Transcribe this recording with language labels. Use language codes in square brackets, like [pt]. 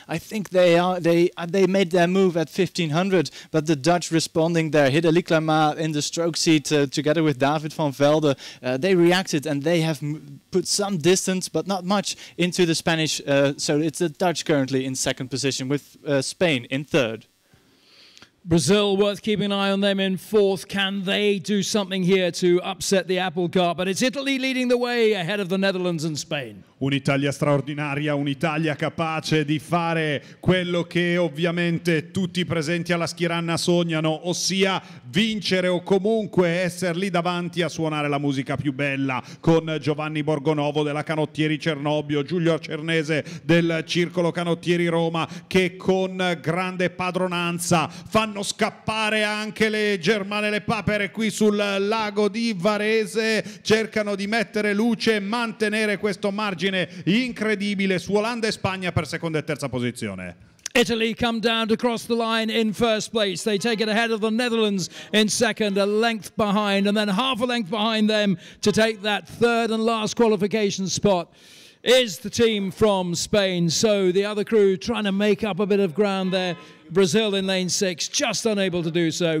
[en] I think they made their move at 1500, but the Dutch responding there, Hidde Liklama in the stroke seat together with David van Velde, they reacted and they have put some distance, but not much, into the Spanish, so it's the Dutch currently in second position, with Spain in third. Brazil, worth keeping an eye on them in fourth. Can they do something here to upset the apple cart? But it's Italy leading the way ahead of the Netherlands and Spain. [it] Un'Italia straordinaria, un'Italia capace di fare quello che ovviamente tutti i presenti alla ski run sognano, ossia vincere o comunque essere lì davanti a suonare la musica più bella, con Giovanni Borgonovo della Canottieri Cernobbio, Giulio Cernese del Circolo Canottieri Roma, che con grande padronanza fanno scappare anche le germane, le papere qui sul lago di Varese, cercano di mettere luce e mantenere questo margine incredibile su Olanda e Spagna per seconda e terza posizione. [en] Italy come down to cross the line in first place. They take it ahead of the Netherlands in second, a length behind, and then half a length behind them to take that third and last qualification spot is the team from Spain. So the other crew trying to make up a bit of ground there. Brazil in lane six, just unable to do so.